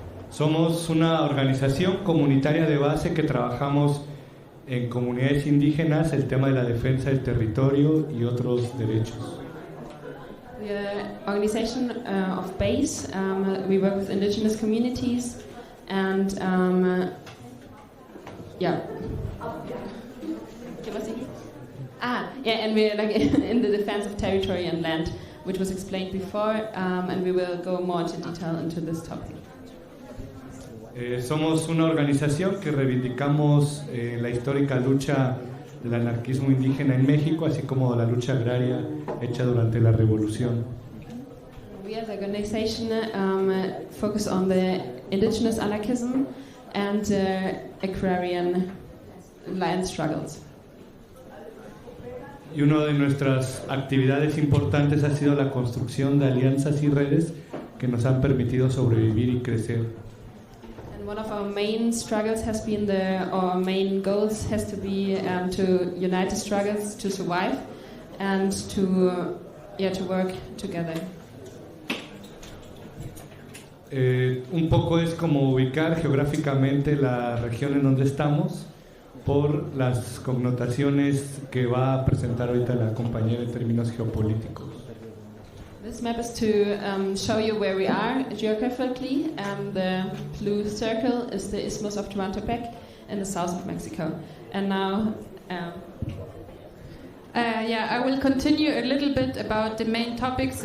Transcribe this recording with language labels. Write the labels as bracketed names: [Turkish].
[Spanish] Somos una organización comunitaria de base que trabajamos en comunidades indígenas el tema de la defensa del territorio y otros derechos. [English] We are an organization of base. We work with indigenous communities and and we're like in the defense of territory and land, which was explained before, and we will go more into detail into this topic. [Spanish] Somos una organización que reivindicamos la histórica lucha del anarquismo indígena en México, así como la lucha agraria hecha durante la revolución. [English] We as an organization focus on the indigenous anarchism and agrarian land struggles. [Spanish] Y una de nuestras actividades importantes ha sido la construcción de alianzas y redes que nos han permitido sobrevivir y crecer. [English] One of our main struggles has been the, or main goals has to be to unite the struggles to survive and to, to work together. [Spanish] Un poco es como ubicar geográficamente la región en donde estamos por las connotaciones que va a presentar ahorita la compañera en términos geopolíticos. [English] This map is to show you where we are geographically, and the blue circle is the Isthmus of Tehuantepec in the south of Mexico. And now, I will continue a little bit about the main topics.